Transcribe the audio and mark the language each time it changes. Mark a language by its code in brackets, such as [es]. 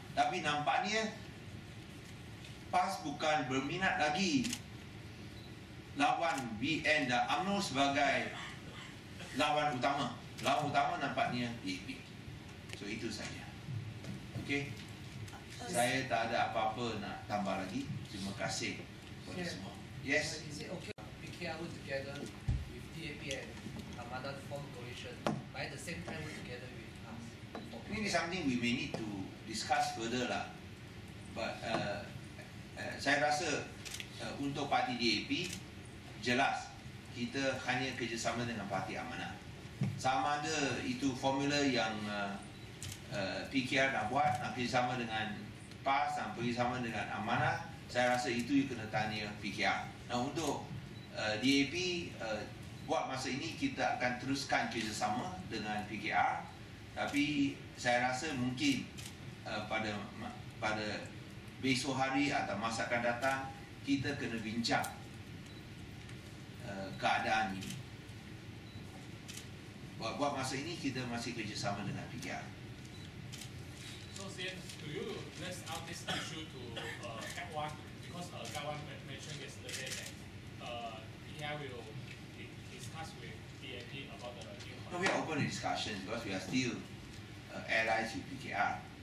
[ms] Tapi nampaknya PAS bukan berminat lagi lawan BN dan UMNO sebagai lawan utama. Lawan utama nampaknya DAP. So itu saja. Okey. Saya tak ada apa-apa nak tambah lagi. Terima kasih kepada semua. [en] Yes. Is it okay PKR together with DAP and Amanah to form coalition, but at the same time together with us? Okay. This is something we may need to discuss further lah. [ms] But saya rasa untuk parti DAP jelas kita hanya kerjasama dengan Parti Amanah. Sama ada itu formula yang PKR nak buat, nak kerjasama dengan PAS, nak kerjasama dengan Amanah, saya rasa itu you kena tanya PKR. Nah, untuk DAP buat masa ini kita akan teruskan kerjasama dengan PKR, tapi saya rasa mungkin pada besok hari atau masa akan datang kita kena bincang keadaan ini. Buat masa ini kita masih kerjasama dengan PKR. [en] So, Sian, do you list out this issue to Kawan? Because Kawan mentioned yesterday that PKR will discuss with DAP about the new contract. No, we are open to discussion because we are still allies with PKR.